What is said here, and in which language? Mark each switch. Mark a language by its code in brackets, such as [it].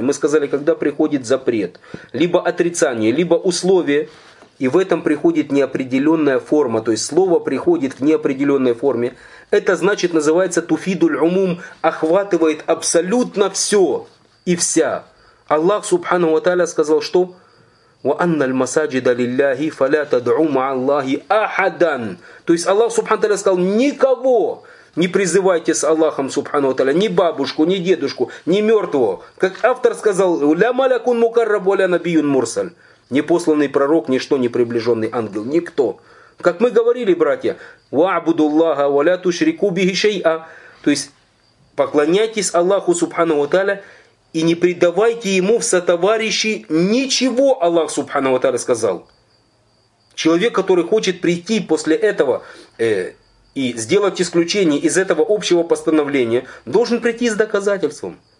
[ru] Мы сказали, когда приходит запрет, либо отрицание, либо условие, и в этом приходит неопределенная форма, то есть слово приходит в неопределенной форме. Это значит, называется «туфидуль умум», охватывает абсолютно все и вся. [ar] Аллах Субхану ва Тааля [ru] сказал, что [ar] وَأَنَّ الْمَسَاجِدَ لِلَّهِ فَلَا تَدْعُوا مَعَ اللَّهِ أَحَدًا. [ru] То есть Аллах Субхану Тааля сказал, никого не призывайте с Аллахом Субхану Тааля, ни бабушку, ни дедушку, ни мертвого. Как автор сказал, [ar] لَا مَلَكٌ مُكَرَّبُ وَلَا نَبِيٌ مُرْسَلٌ. [ru] Непосланный пророк, ничто, не приближенный ангел, никто. Как мы говорили, братья, [ar] وَعْبُدُ اللَّهَ وَلَا تُشْرِكُوا بِهِ شَيْئًا. [ru] То есть поклоняйтесь Аллаху Субхану Тааля, и не предавайте ему в сотоварищи ничего, Аллах Субхану ва Тааля сказал. Человек, который хочет прийти после этого и сделать исключение из этого общего постановления, должен прийти с доказательством.